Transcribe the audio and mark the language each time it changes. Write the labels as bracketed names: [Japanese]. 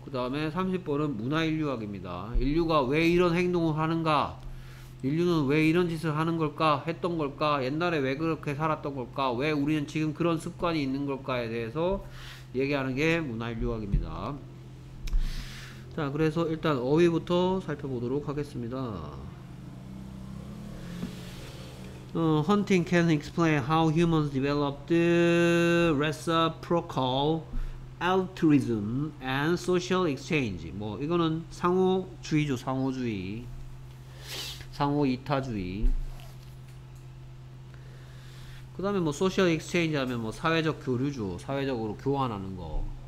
[Korean] 그 다음에 30번은 문화인류학입니다. 인류가 왜 이런 행동을 하는가, 인류는 왜 이런 짓을 하는 걸까, 했던 걸까, 옛날에 왜 그렇게 살았던 걸까, 왜 우리는 지금 그런 습관이 있는 걸까에 대해서 얘기하는 게 문화인류학입니다. 자, 그래서 일단 어휘부터 살펴보도록 하겠습니다. [English] Hunting can explain how humans developed the reciprocal altruism and social exchange. [Korean] 뭐 이거는 상호주의죠. 상호주의, 상호이타주의. 그 다음에 뭐 social exchange 하면 뭐 사회적 교류죠. 사회적으로 교환하는 거.